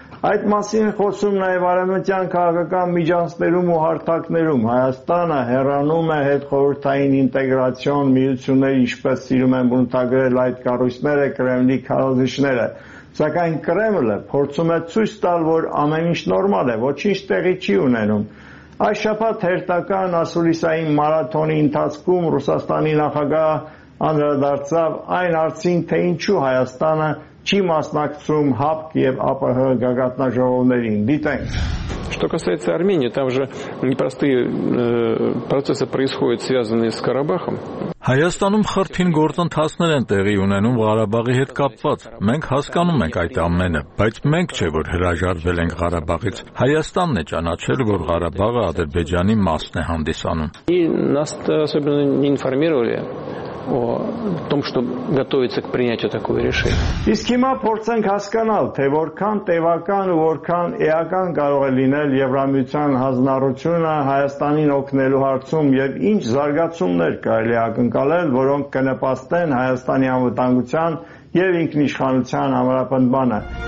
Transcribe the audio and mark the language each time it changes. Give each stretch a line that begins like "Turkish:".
Armenian: Այդ մասին խոսում նաև արևմտյան քաղաքական միջանցներում ու հարթակներում Հայաստանը հեռանում է հետխորհրդային ինտեգրացիոն միությունների, ինչպես սիրում են բնութագրել այդ կառույցները Կրեմլի քարոզիչները, սակայն Կրեմլը փորձում է ցույց տալ, որ ամեն ինչ նորմալ է, ոչինչ տեղի չի ունենում։ Այս շաբաթ հերթական ասուլիսային մարաթոնի ընթացքում Ռուսաստանի նախագահ անդրադարձավ այն հարցին, թե ինչու Հայաստանը չի մասնակցում ՀԱՊԿ և ԱՊՀ գագաթնաժողովներին։ Դիտենք։
Russian: Что касается Армении, там же непростые процессы происходят, связанные с Карабахом.
Armenian: Հայաստանում խրթին գործընթացներ են տեղի ունենում Ղարաբաղի հետ կապված։ Մենք հասկանում ենք այդ ամենը, բայց մենք չէ որ հրաժարվել ենք Ղարաբաղից։ Հայաստանն է ճանաչել, որ Ղարաբաղը Ադրբեջանի մասն է հանդիսանում։
Russian: И нас особенно не информировали о том, что готовится к принятию такого решения.
Armenian: Իսկ հիմա փորձենք հասկանալ, թե որքան տևական ու որքան էական կարող է լինել Եվրամիության հանձնառությունը Հայաստանին օգնելու հարցում եւ ինչ զարգացումներ կարելի է ակնկալել, որոնք կնպաստեն Հայաստանի անվտանգության եւ ինքնիշխանության համապատասխանը։